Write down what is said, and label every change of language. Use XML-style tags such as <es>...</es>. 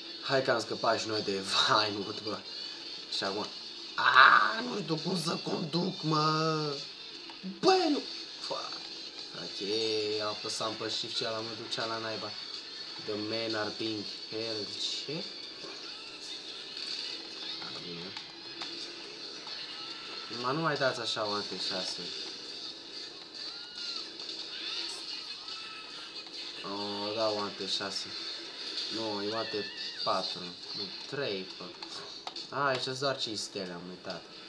<ro>Hai că am scăpat și noi de Vinewood, bă! Și acum... Aaaa, nu știu cum să conduc, mă! Bă, nu! Ok, apăsam pe shift și ala mă ducea la naiba.</ro> <en>The men are being held, ce?</en> <ro>Bine. Numai nu mai dați așa o alte șase. O, da, o alte șase. Nu, e o alte patru. Nu, trei, pă. A, aici sunt doar 5 stele, am uitat.</ro>